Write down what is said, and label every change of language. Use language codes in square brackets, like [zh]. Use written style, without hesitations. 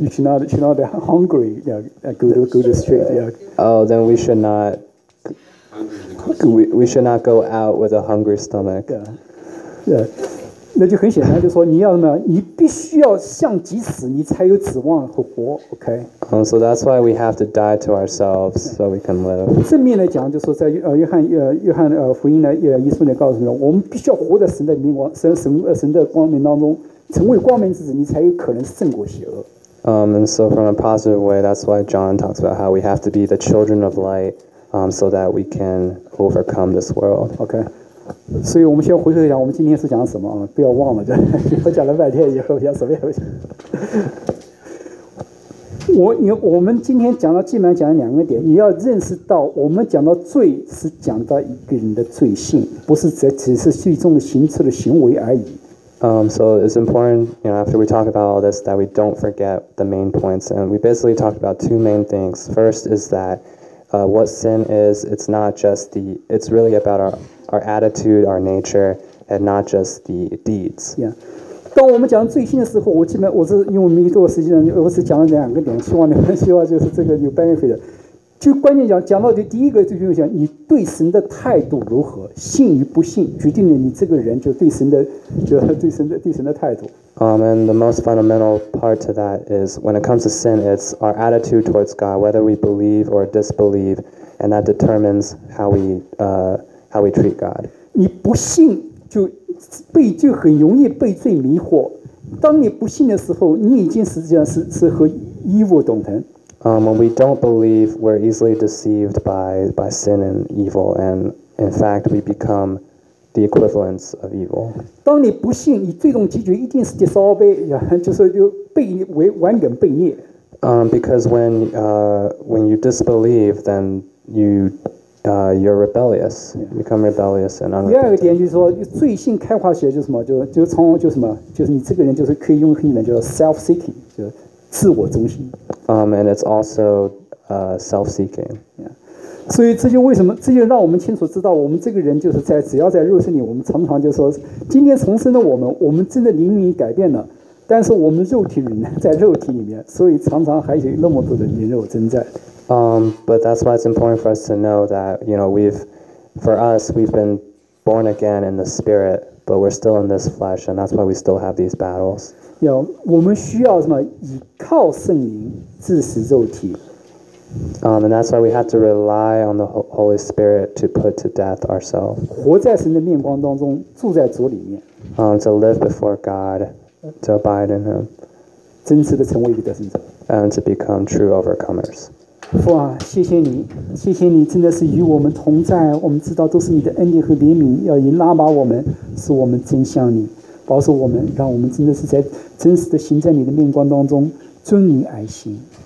[en] you should not be hungry. Yeah, go to street. Yeah. Oh, then we should not go out with a hungry stomach. Yeah. [zh] 那就很显然，就说你要什么，你必须要向己死，你才有指望和活。 [en] OK. So that's why we have to die to ourselves so we can live. [zh] 正面来讲，就说在约翰福音呢，耶稣呢告诉我们，我们必须要活在神的明光，神的光明当中。成为光明之子，你才有可能胜过邪恶。 [en] And so from a positive way, that's why John talks about how we have to be the children of light, so that we can overcome this world. Okay. [zh] 所以我们先回头讲，我们今天是讲什么啊？不要忘了，我讲了半天以后，讲什么也不行。我们今天讲到，基本上讲了两个点，你要认识到，我们讲到罪是讲到一个人的罪性，不是只是最终的行出的行为而已。 [en] So it's important, you know, after we talk about all this, that we don't forget the main points. And we basically talked about two main things. First is that what sin is, it's not just it's really about our attitude, our nature, and not just the deeds. Yeah. [zh] 当我们讲罪性的时候，我是因为没多少时间，我只讲了两个点，希望就是这个有 benefit。就关键讲，讲到底，第一个就是讲你对神的态度如何，信与不信，决定了你这个人就对神的，就对神的，对神的态度。 [en] And the most fundamental part to that is when it comes to sin, it's our attitude towards God, whether we believe or disbelieve, and that determines how we treat God. [zh] 你不信就被就很容易被罪迷惑。当你不信的时候，你已经实际上是和义务同等。 [en] When we don't believe, we're easily deceived by sin and evil, and in fact, we become the equivalents of evil. [zh] 当你不信，你最终结局一定是 disobey, 就是就悖违顽梗悖逆。 [en] Because when you disbelieve, then you're rebellious, you become rebellious and unrepentant. [zh] 第二个点就是说，罪性开化起来就是什么，就从就什么，就是你这个人就是可以用英文叫 self-seeking, 就自我中心。 [en] And it's also self-seeking. Yeah. [zh] 所以这就为什么，这就让我们清楚知道，我们这个人就是在只要在肉身里，我们常常就说，今天重生的我们真的灵里改变了，但是我们肉体仍然在肉体里面，所以常常还有那么多的灵肉征战。 [en] But that's why it's important for us to know that you know we've been born again in the spirit, but we're still in this flesh, and that's why we still have these battles. [zh] 要我们需要什么？依靠圣灵致死肉体。 [en] And that's why we have to rely on the Holy Spirit to put to death ourselves. [zh] 活在神的面光当中，住在主里面。 [en] To live before God, to abide in Him. [zh] 真实的成为一个得胜者。 [en] And to become true overcomers. [zh] 父啊，谢谢你，谢谢你，真的是与我们同在。我们知道都是你的恩典和怜悯，要引拉拔我们，使我们真像你。保守我们，让我们真的是在真实的行在你的面光当中，尊你爱心。